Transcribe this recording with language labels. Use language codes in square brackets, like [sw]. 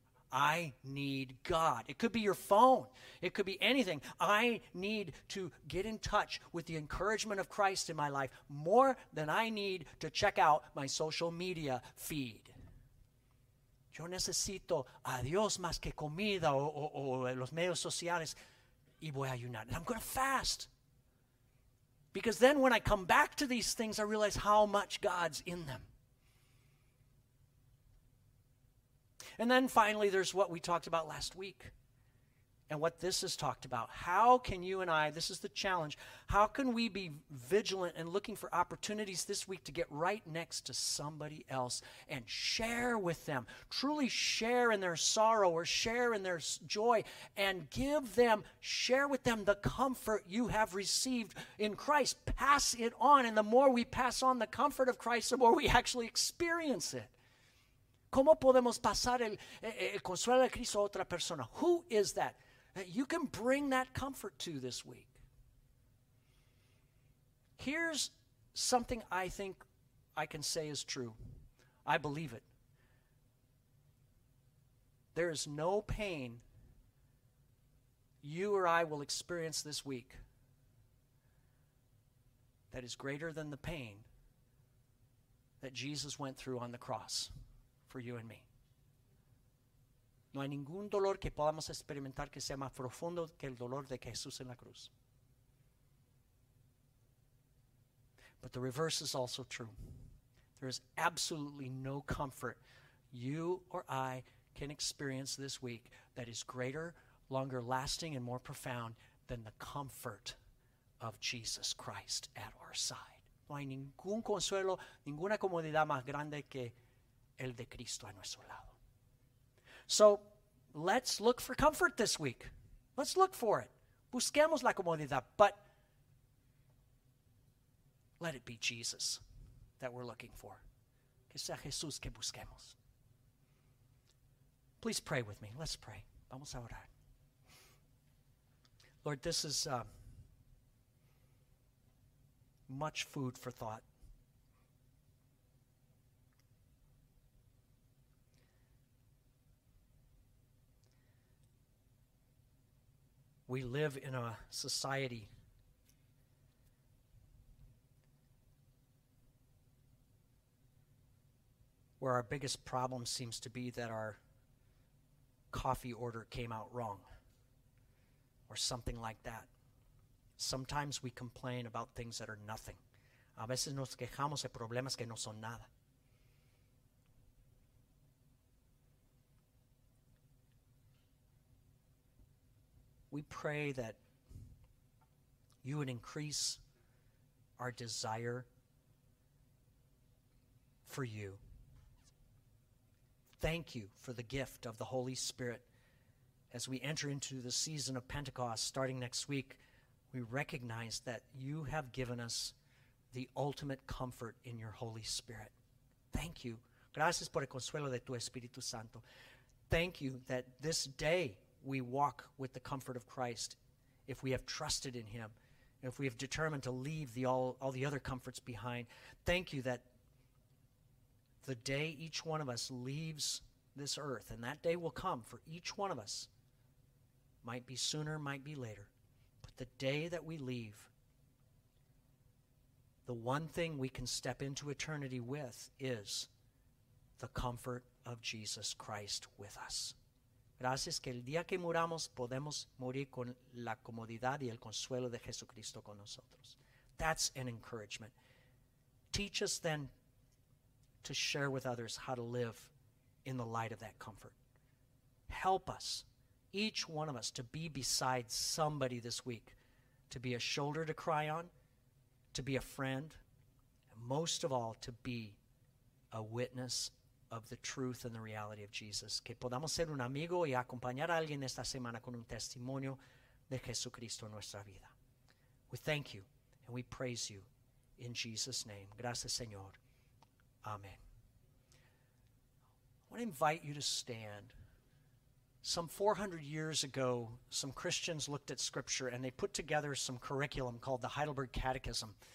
[en] I need God. It could be your phone. It could be anything. I need to get in touch with the encouragement of Christ in my life more than I need to check out my social media feed. [es] Yo necesito a Dios más que comida o los medios sociales y voy a ayunar. [en] And I'm going to fast. Because then when I come back to these things, I realize how much God's in them. And then finally, there's what we talked about last week and what this has talked about. How can you and I, this is the challenge, how can we be vigilant and looking for opportunities this week to get right next to somebody else and share with them, truly share in their sorrow or share in their joy and share with them the comfort you have received in Christ. Pass it on. And the more we pass on the comfort of Christ, the more we actually experience it. [es] ¿Cómo podemos pasar el consuelo de Cristo a otra persona? [en] Who is that? You can bring that comfort to this week. Here's something I think I can say is true. I believe it. There is no pain you or I will experience this week that is greater than the pain that Jesus went through on the cross for you and me. [es] No hay ningún dolor que podamos experimentar que sea más profundo que el dolor de Jesús en la cruz. [en] But the reverse is also true. There is absolutely no comfort you or I can experience this week that is greater, longer lasting, and more profound than the comfort of Jesus Christ at our side. [es] No hay ningún consuelo, ninguna comodidad más grande que el de Cristo a nuestro lado. [en] So, let's look for comfort this week. Let's look for it. [es] Busquemos la comodidad, [en] but let it be Jesus that we're looking for. [es] Que sea Jesús que busquemos. [en] Please pray with me. Let's pray. [es] Vamos a orar. [en] Lord, this is much food for thought. We live in a society where our biggest problem seems to be that our coffee order came out wrong or something like that. Sometimes we complain about things that are nothing. [es] A veces nos quejamos de problemas que no son nada. [en] We pray that you would increase our desire for you. Thank you for the gift of the Holy Spirit. As we enter into the season of Pentecost starting next week, we recognize that you have given us the ultimate comfort in your Holy Spirit. Thank you. [es] Gracias por el consuelo de tu Espíritu Santo. [en] Thank you that this day we walk with the comfort of Christ if we have trusted in him, if we have determined to leave all the other comforts behind. Thank you that the day each one of us leaves this earth, and that day will come for each one of us, might be sooner, might be later, but the day that we leave, the one thing we can step into eternity with is the comfort of Jesus Christ with us. [es] Gracias que el día que muramos podemos morir con la comodidad y el consuelo de Jesucristo con nosotros. [en] That's an encouragement. Teach us then to share with others how to live in the light of that comfort. Help us, each one of us, to be beside somebody this week, to be a shoulder to cry on, to be a friend, and most of all, to be a witness of the truth and the reality of Jesus. [es] Que podamos ser un amigo y acompañar a alguien esta semana con un testimonio de Jesucristo en nuestra vida. [en] We thank you and we praise you in Jesus' name. [es] Gracias, Señor. [en] Amen. I want to invite you to stand. Some 400 years ago, some Christians looked at Scripture and they put together some curriculum called the Heidelberg Catechism.